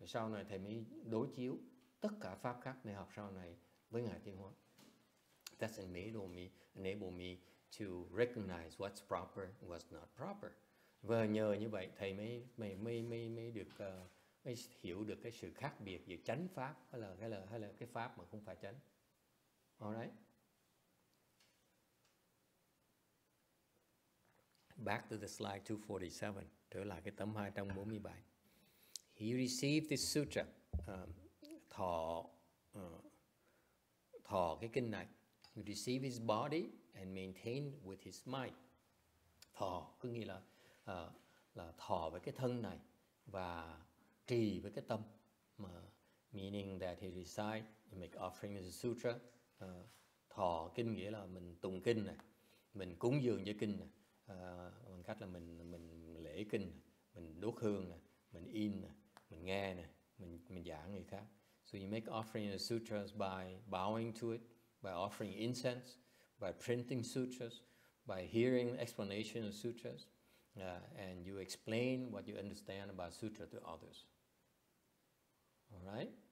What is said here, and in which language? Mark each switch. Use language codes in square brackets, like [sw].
[vi] Sau này thầy mới đối chiếu tất cả pháp khác thầy học sau này với ngài Tiếng Hoa. [en] That's enabled me to recognize what's proper and what's not proper. [vi] Và nhờ như vậy thầy mới hiểu được cái sự khác biệt giữa chánh pháp hay là cái pháp mà không phải chánh. [en] All right. Back to the slide 247, [vi] trở lại cái tấm 247. [en] He received this sutra, [vi] thọ cái kinh này. [en] He received his body and maintained with his mind. [vi] Thọ có nghĩa là thọ với cái thân này và trì với cái tâm. [en] Meaning that he recited, he make offering the sutra. [vi] Thọ kinh nghĩa là mình tụng kinh này, mình cúng dường cho kinh này. Bằng cách là mình lễ kinh, mình đốt hương, mình in, mình nghe, mình giảng người khác. [en] So you make offering the sutras by bowing to it, by offering incense, by printing sutras, by hearing explanation of sutras, and you explain what you understand about sutra to others. All right?